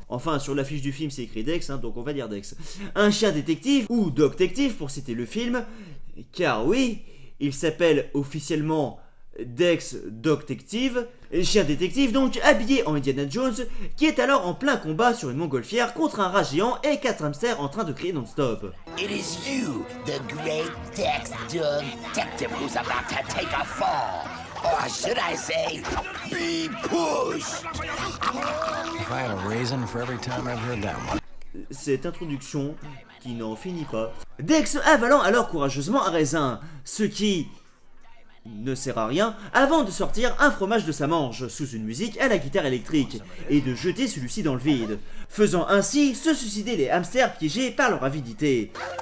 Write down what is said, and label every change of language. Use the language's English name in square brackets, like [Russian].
[French] Enfin, sur l'affiche du film, c'est écrit Dex, hein, donc on va dire Dex. Un chien détective, ou Dog-tective pour citer le film, car oui, il s'appelle officiellement Dex Dog-tective. Chien détective donc habillé en Indiana Jones qui est alors en plein combat sur une montgolfière contre un rat géant et quatre hamsters en train de crier non-stop. [English] It is you, the great Dex Dog-tective who's about to take a fall. Or should I say, be pushed. If I had a reason for every time I've heard that one. [French] Cette introduction qui n'en finit pas. Dex avalant alors courageusement un raisin, ce qui ne sert à rien, avant de sortir un fromage de sa manche sous une musique à la guitare électrique et de jeter celui-ci dans le vide, faisant ainsi se suicider les hamsters piégés par leur avidité.